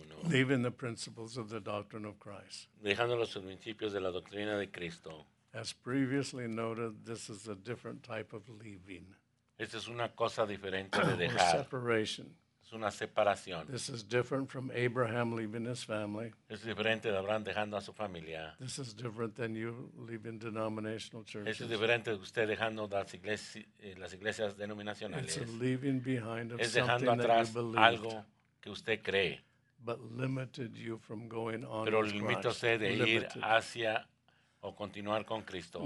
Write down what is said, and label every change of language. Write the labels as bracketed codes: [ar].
[en] Leaving the principles of the doctrine of Christ. [es] Dejando los principios de la doctrina de Cristo. [en] As previously noted, this is a different type of leaving. [es] Esta es una cosa diferente de dejar. [en] Separation. [es] Es una separación. [en] This is different from Abraham leaving his family. [es] Es diferente de Abraham dejando a su familia. [en] This is different than you leaving denominational churches. [es] Es diferente de usted dejando las iglesias denominacionales. [en] It's a leaving behind of something that you believed. [es] Es dejando atrás algo que usted cree. [en] But limited you from going on. [es] Pero limita usted de ir hacia o continuar con Cristo.